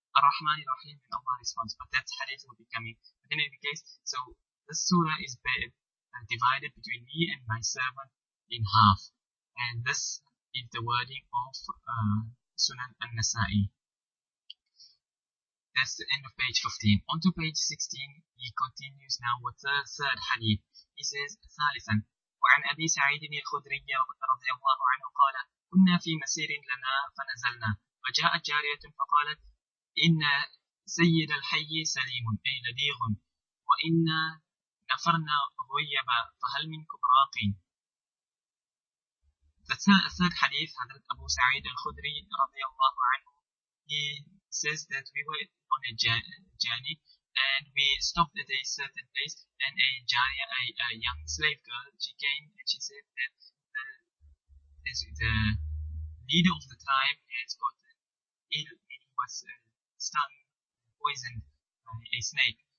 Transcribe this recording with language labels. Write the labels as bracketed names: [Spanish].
[English] Ar-Rahman, Ar-Rahim, and Allah responds, but that's hadith will be coming. But in any case, so this surah is divided between me and my servant in half. And this is the wording of Sunan al-Nasa'i. That's the end of page 15. On to page 16, he continues now with the third hadith. He says, [Arabic] ثالثاً وعن أبي سعيد الخدري رضي الله عنه قال كنا في مسير لنا فنزلنا وجاءت جارية فقالت إن سيد الحي سليم أي لديغ وإنا نفرنا غيبا فهل منكم راق؟ الثالث حديث حضرت أبو سعيد الخدري رضي الله عنه. [English] He says that we were on a journey and we stopped at a certain place and a jariya, a young slave girl, she came and she said that the leader of the tribe has got ill, meaning was stung, poisoned by a snake.